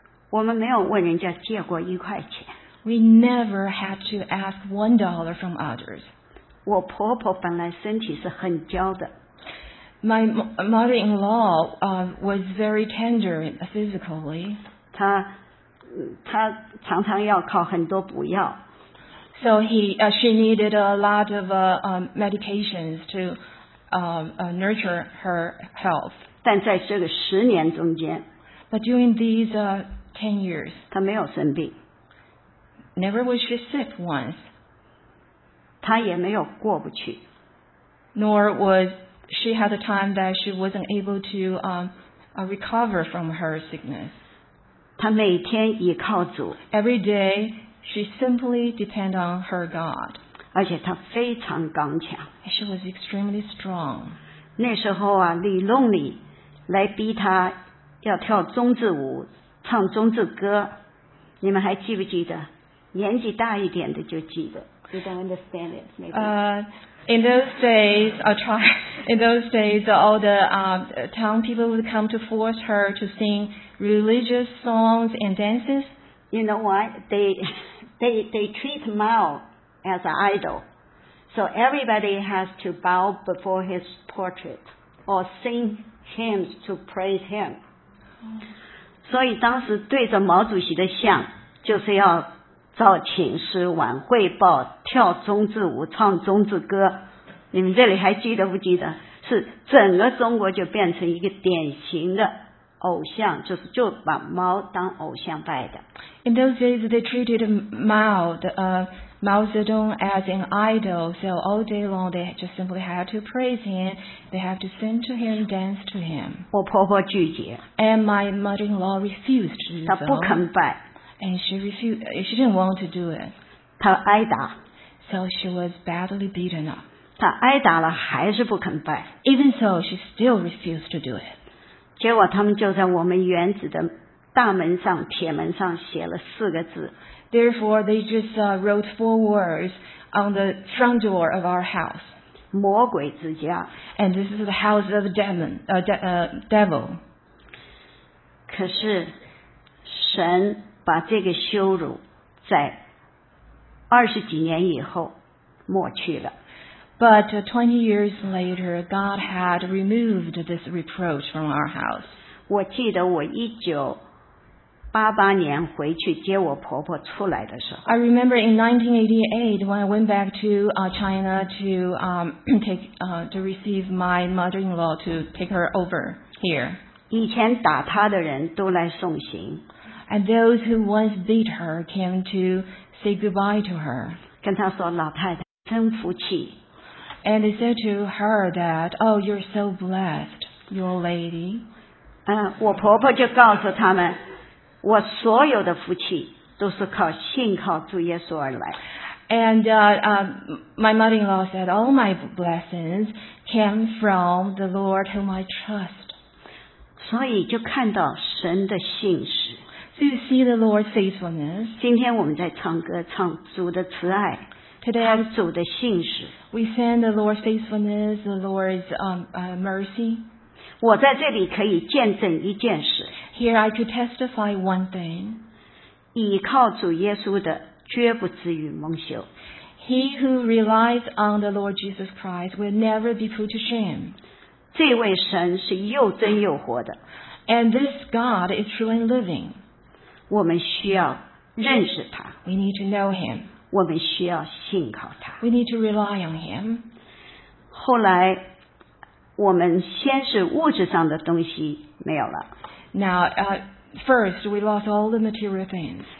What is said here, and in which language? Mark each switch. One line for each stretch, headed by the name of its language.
Chinese: 我们没有问人家借过一块钱。
English: We never had to ask $1 from others.
Chinese: 我婆婆本来身体是很娇的。
English: My mother-in-law was very tender physically.
Chinese: 她常常要靠很多补药。
English: So she needed a lot of medications to. Nurture her health.
Chinese: 但在这个十年中间，
English: But during these 10 years,
Chinese: 她没有生病。
English: Never was she sick once.
Chinese: 她也没有过不去。
English: Nor was she had a time that she wasn't able to recover from her sickness.
Chinese: 她每天依靠主。
English: Every day She simply depend on her God.
Chinese: 而且她非常刚强。
English: She was extremely strong.
Chinese: 那时候啊，李弄里来逼她要跳中字舞，唱中字歌。你们还记不记得？年纪大一点的就记得。
English: You don't understand it, maybe. In those days, in those days, all the town people would come to force her to sing religious songs and dances. You know why? They treat Mao as an idol. So everybody has to bow before his portrait or sing hymns to praise him.
Chinese: 所以当时对着毛主席的像就是要造请诗、晚汇报、跳中字舞、唱中字歌，你们这里还记得不记得？是整个中国就变成一个典型的偶像，就是就把毛当偶像拜的。
English: In those days, they treated Mao, Mao Zedong as an idol. So all day long, they just simply had to praise him. They have to sing to him, dance to him.
Chinese: 我婆婆拒绝。
English: And my mother-in-law refused to do so.
Chinese: 她不肯拜。
English: And she refused. She didn't want to do it.
Chinese: 她挨打。
English: So she was badly beaten up.
Chinese: 她挨打了还是不肯拜。
English: Even so, she still refused to do it.
Chinese: 结果他们就在我们园子的大门上、铁门上写了四个字。
English: Therefore, they just wrote four words on the front door of our house.
Chinese: 魔鬼之家。
English: And this is the house of demon, devil.
Chinese: 可是神把这个羞辱在二十几年以后抹去了。
English: But 20 years later, God had removed this reproach from our house.
Chinese: 我记得我1988年回去接我婆婆出来的时候。
English: I remember in 1988 when I went back to China to take to receive my mother-in-law to take her over here.
Chinese: 以前打她的人都来送行。
English: And those who once beat her came to say goodbye to her.
Chinese: 跟她说老太太真福气。
English: And they said to her that, oh, you're so blessed, your lady.
Chinese: 我婆婆就告诉他们我所有的福气都是靠信靠主耶稣而来。
English: And my mother-in-law said, all my blessings came from the Lord whom I trust.
Chinese: 所以就看到神的信实。
English: So you see the Lord's faithfulness.
Chinese: 今天我们在唱歌，唱主的慈爱。
English: Today,
Chinese: 唱主的信实。
English: We sing the Lord's faithfulness, the Lord's mercy.
Chinese: 我在这里可以见证一件事。
English: Here I could testify one thing.
Chinese: 倚靠主耶稣的绝不至于蒙羞。
English: He who relies on the Lord Jesus Christ will never be put to shame.
Chinese: 这位神是又真又活的。
English: And this God is true and living.
Chinese: 我们需要认识他。
English: We need to know him.
Chinese: 我们需要信靠他。
English: We need to rely on him.
Chinese: 后来我们先是物质上的东西没有了。
English: Now, first, we lost all the material things.